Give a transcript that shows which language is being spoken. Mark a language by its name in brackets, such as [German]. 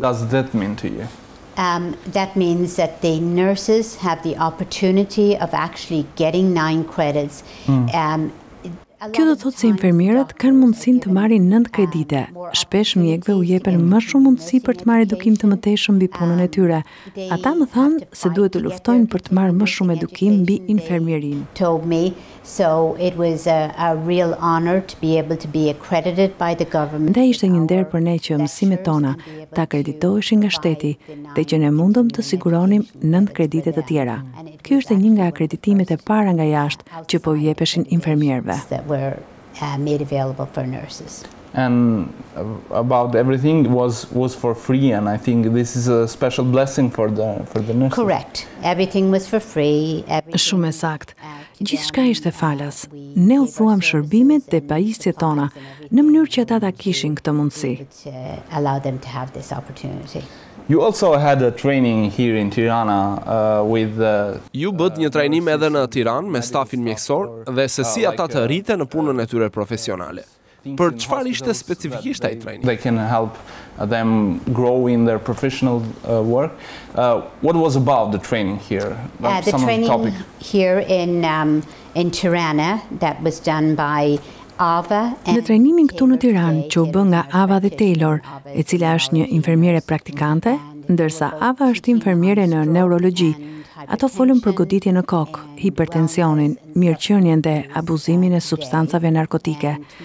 [English] What does that mean to you? That means that the nurses have the opportunity of actually getting 9 credits. [Albanian] Kjo do të thotë se infermierët kanë mundësinë të marrin 9 kredite. Shpesh mjekëve u jepen më shumë mundësi për të marrë edukim të mëtejshëm mbi punën e tyre. Ata më thanë se duhet të luftojnë për të marrë më shumë edukim mbi infermierin. [English] Told me, so it was a real honor to be able to be accredited by the government. [Albanian] Dhe ishte një nder për ne që mësimet tona ta akreditoheshin nga shteti dhe që ne mundëm të siguronim 9 kredite të tjera. Kjo është një nga akreditimet e para nga jashtë që po jepeshin infermierëve. [English] Made available for nurses. And about everything was for free, and I think this is a special blessing for the nurses. Correct. Everything was for free. [Albanian] Shumë e saktë. Gjithçka ishte falas. Ne ofruam shërbimet dhe pajisjet tona në mënyrë që ata ta kishin këtë mundësi. [English] Allow them to have this opportunity. You also had a training here in Tirana with [Albanian] ju bët një trajnim edhe në Tiranë me stafin mjekësor dhe se si ata të rriten në punën e tyre profesionale. Për çfarë ishte specifikisht ai trajnim? [English] They can help them grow in their professional work. What was about the training here? The training here in Tirana that was done by [Albanian] Në trajnimin këtu në Tiranë që u bë nga Ava dhe Taylor, e cila është një infermiere praktikante, ndërsa Ava është infermiere në neurologji. Ato folën për goditje në kokë, hipertensionin, mirëqenien dhe abuzimin e substancave narkotike.